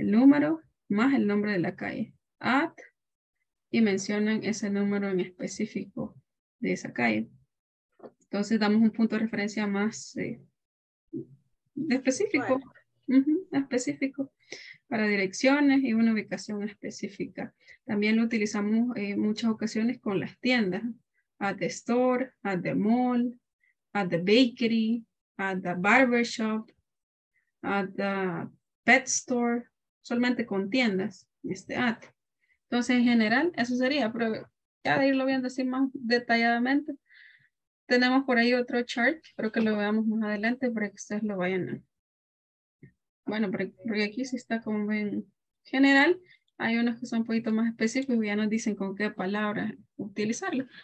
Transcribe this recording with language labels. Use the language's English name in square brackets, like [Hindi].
[Spanish] El número más el nombre de la calle. At. Y mencionan ese número en específico de esa calle. Entonces damos un punto de referencia más... De específico, uh-huh, específico, para direcciones y una ubicación específica. También lo utilizamos en muchas ocasiones con las tiendas. [English] At the store, at the mall, at the bakery, at the barbershop, at the pet store. [Spanish] Solamente con tiendas, at. Entonces, en general, eso sería. Pero ya de irlo viendo así más detalladamente. Tenemos por ahí otro chart, espero que lo veamos más adelante para que ustedes lo vayan a... Bueno, porque aquí sí está como en general, hay unos que son un poquito más específicos y ya nos dicen con qué palabras utilizarlo.